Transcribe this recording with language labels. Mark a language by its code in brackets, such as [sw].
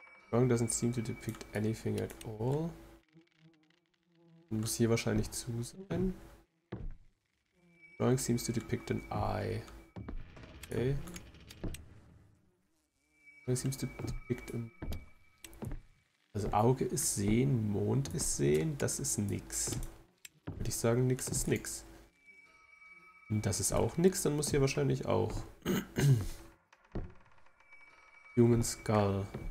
[en] Wrong doesn't seem to depict anything at all. [de] Muss hier wahrscheinlich zu sein. [en] Drawing seems to depict an eye. Okay. Drawing seems to depict an... [de] Also Auge ist sehen, Mond ist sehen, das ist nix. Würde ich sagen, nix ist nix. Und das ist auch nix, dann muss hier wahrscheinlich auch. [en] Human skull.